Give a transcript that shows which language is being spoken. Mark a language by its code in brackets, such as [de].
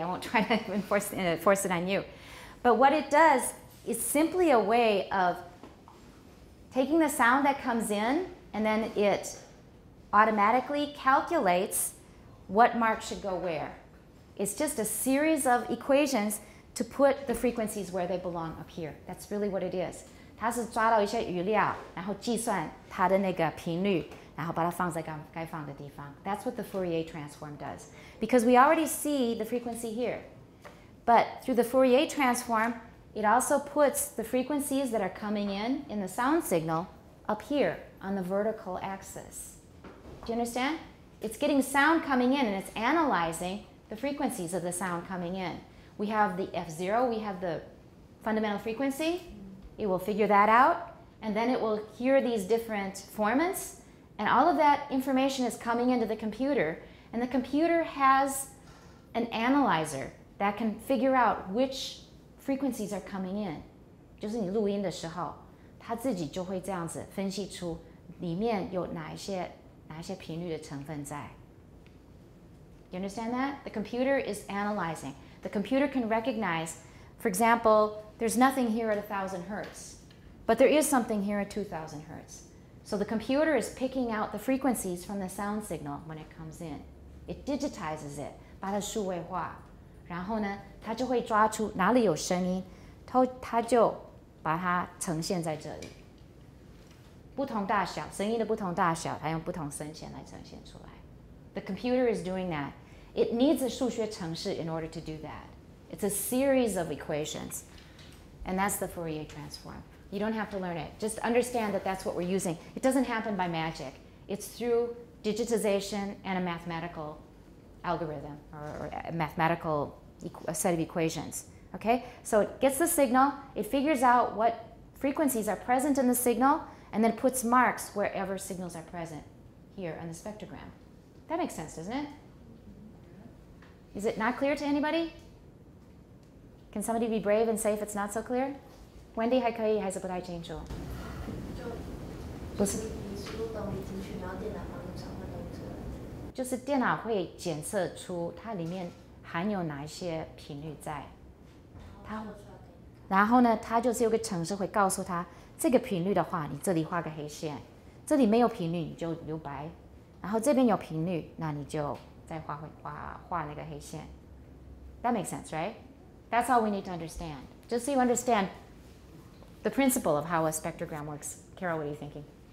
[en] I won't try to enforce it on you. But what it does is simply a way of taking the sound that comes in, and then it automatically calculates what mark should go where. It's just a series of equations to put the frequencies where they belong up here. That's really what it is. [zh] 它是抓到一些语料，然后计算它的那个频率，然后把它放在该放的地方。 [en] That's what the Fourier transform does. Because we already see the frequency here. But through the Fourier transform, it also puts the frequencies that are coming in the sound signal, up here on the vertical axis. Do you understand? It's getting sound coming in and it's analyzing the frequencies of the sound coming in. We have the F0, we have the fundamental frequency. It will figure that out, and then it will hear these different formants, and all of that information is coming into the computer, and the computer has an analyzer that can figure out which frequencies are coming in. [zh] 就是你录音的时候，它自己就会这样子分析出里面有哪一些频率的成分在。 [en] You understand that? The computer is analyzing. The computer can recognize, for example,there's nothing here at 1,000 hertz, but there is something here at 2,000 hertz. So the computer is picking out the frequencies from the sound signal when it comes in. It digitizes it, [zh] 把它数位化。然后呢，它就会抓出哪里有声音，它就把它呈现在这里。不同大小，声音的不同大小，它用不同声线来呈现出来。 [en] The computer is doing that. It needs a [zh] 数学程式 [en] in order to do that. It's a series of equations. And that's the Fourier transform. You don't have to learn it. Just understand that that's what we're using. It doesn't happen by magic. It's through digitization and a mathematical algorithm or a mathematical set of equations. Okay? So it gets the signal, it figures out what frequencies are present in the signal, and then puts marks wherever signals are present here on the spectrogram. That makes sense, doesn't it? Is it not clear to anybody? Can somebody be brave and say if it's not so clear? [zh] Wendy 还可以，还是不太清楚。就是你输入东西进去，然后电脑帮你传唤动作。就是电脑会检测出它里面含有哪一些频率在。然后呢，它就是有个程式会告诉它，这个频率的话，你这里画个黑线，这里没有频率你就留白，然后这边有频率，那你就再画那个黑线。 [en] That makes sense, right? That's all we need to understand. Just so you understand the principle of how a spectrogram works. Carol, what are you thinking?